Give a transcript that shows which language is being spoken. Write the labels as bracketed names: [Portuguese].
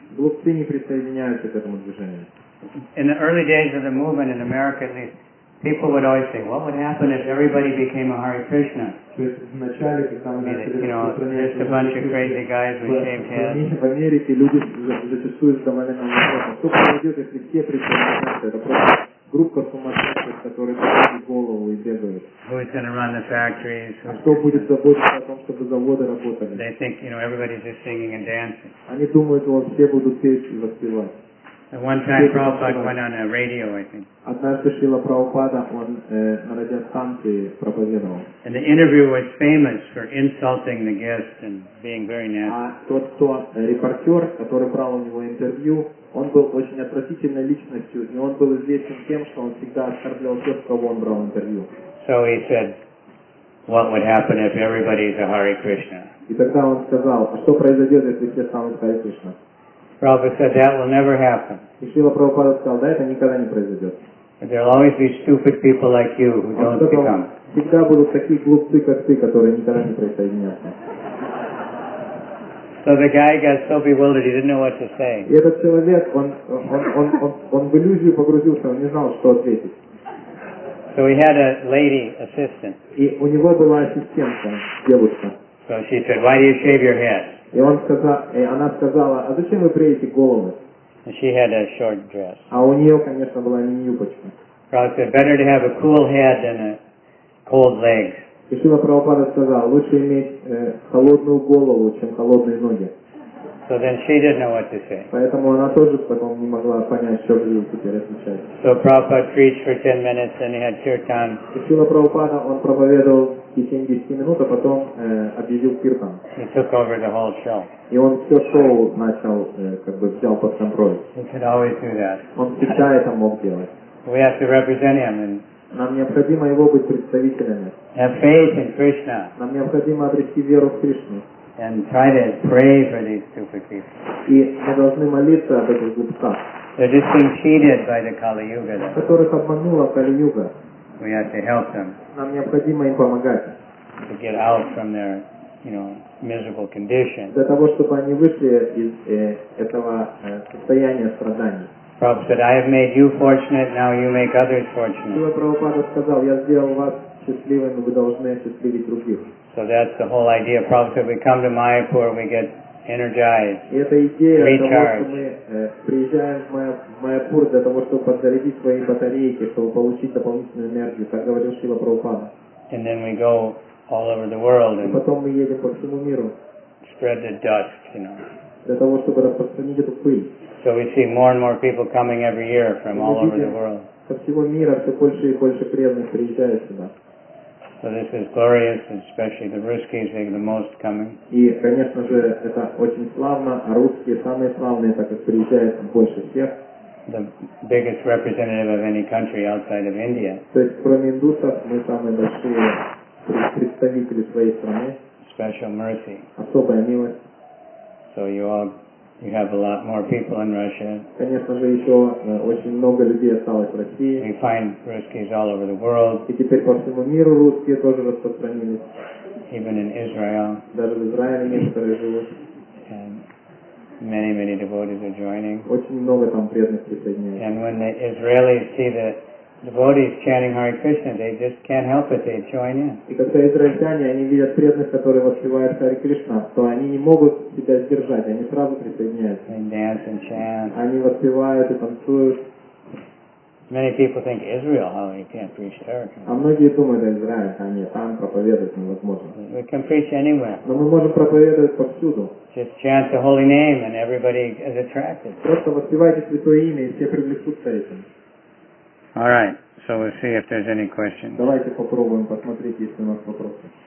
[Russian] Глупцы не присоединяются к этому движению. [English] In the early days of the movement in America, at least, people would always say, what would happen if everybody became a Hare Krishna? Just a bunch of crazy guys with shaved heads. [Russian] В Америке люди зачастую задавали нам вопрос, что произойдет, если все присоединяются, это просто группа сумасшедших, которые поднимают голову и бегают. [English] Who's going to run the factories? [Russian] А кто будет заботиться о том, чтобы заводы работали? [English] They think, you know, everybody's just singing and dancing. [Russian] Они думают, что все будут петь и воспевать. [English] At one time, Prabhupada went on a radio, I think. [Russian] Однажды Шрила Прабхупада он на радиостанции проповедовал. [English] And the interview was famous for insulting the guest and being very nasty. [Russian] А тот, кто репортер, который брал у него интервью, он был очень отвратительной личностью, и он был известен тем, что он всегда оскорблял тех, кого он брал интервью. [English] So he said, "What would happen if everybody is a Hare Krishna?" [Russian] И тогда он сказал, а что произойдет, если все станут Hare Krishna? [English] Prabhupada said that will never happen. [Russian] И Шрила Прабхупада сказал, да, это никогда не произойдет. [English] There will always be stupid people like you who don't become. [Russian] Всегда будут такие глупцы, как ты, которые никогда не присоединятся. [English] So the guy got so bewildered, he didn't know what to say. [Russian] И этот человек, он в иллюзию погрузился, он не знал, что ответить. [English] So he had a lady assistant. [Russian] И у него была ассистентка, девушка. [English] So she said, why do you shave your head? [Russian] И он сказал, и она сказала, а зачем вы бреете голову? [English] She had a short dress. [Russian] А у нее, конечно, была мини-юбочка. [English] Prabhupada said, better to have a cool head than a cold legs. [Russian] И Шрила Прабхупада сказал, лучше иметь холодную голову, чем холодные ноги. [English] So then she didn't know what to say. [Russian] Поэтому она тоже потом не могла понять, что же ей теперь отвечать. [English] So Prabhupada preached for 10 minutes, then he had kirtan. [Russian] И Шрила Прабхупада, он проповедовал 70 минут, а потом объявил киртан. [English] He took over the whole show. [Russian] И он все шоу начал, как бы взял под контроль. [English] He could always do that. [Russian] Он всегда это мог делать. [English] We have to represent him. [Russian] Нам необходимо его быть представителями. [English] Have faith in Krishna. [Russian] Нам необходимо обрести веру в Кришну. [English] And try to pray for these stupid people. [Russian] И мы должны молиться об этих глупцах. [English] They're just being cheated by the Kali Yuga. [Russian] Которых обманула Кали Юга. [English] We have to help them. [Russian] Нам необходимо им помогать. [English] To get out from their, you know, miserable condition. [Russian] Для того, чтобы они вышли из этого состояния страданий. [English] Prabhupada said, I have made you fortunate, now you make others fortunate. [Russian] Шрила Прабхупада сказал, я сделал вас счастливыми, вы должны осчастливить других. [English] So that's the whole idea. Prabhupada said, we come to Mayapur, we get energized, recharged. [Russian] И эта идея того, что мы приезжаем в Майапур для того, чтобы подзарядить свои батарейки, чтобы получить дополнительную энергию, так говорил Шрила Прабхупада. [English] And then we go all over the world and [Russian] потом мы едем по всему миру. [English] Spread the dust, you know. [Russian] Для того, чтобы распространить эту пыль. [English] So we see more and more people coming every year from all over the world. [Russian] Со всего мира все больше и больше преданных приезжают сюда. [English] So this is glorious, especially the Ruskis, they're the most coming. [Russian] И, конечно же, это очень славно, а русские самые славные, так как приезжают больше всех. [English] The biggest representative of any country outside of India. [Russian] То есть, кроме индусов, мы самые большие представители своей страны. [English] Special mercy. [Russian] Особая милость. [English] So you have a lot more people in Russia. [Russian] Конечно же, еще очень много людей осталось в России. [English] We find Ruskis all over the world. [Russian] И теперь по всему миру русские тоже распространились. [English] even in Israel. [Russian] Даже в Израиле некоторые живут. [English] Many, many devotees are joining. [Russian] Очень много там преданных присоединяется. [English] And when the Israelis see the devotees chanting Hare Krishna, they just can't help it, they join in. [Russian] И когда израильтяне, они видят преданных, которые воспевают Харе Кришна, то они не могут себя сдержать, они сразу присоединяются. [English] They dance and chant. [Russian] Они воспевают и танцуют. [English] Many people think Israel, oh, you can't preach there. [Russian] А многие думают, Израиль, а нет, там проповедовать невозможно. [English] We can preach anywhere. [Russian] Но мы можем проповедовать повсюду. [English] Just chant the holy name and everybody is attracted. [Russian] Просто воспевайте святое имя, и все привлекутся этим. [English] All right, so we'll see if there's any questions. [Russian] Давайте попробуем посмотреть, есть ли у нас вопросы.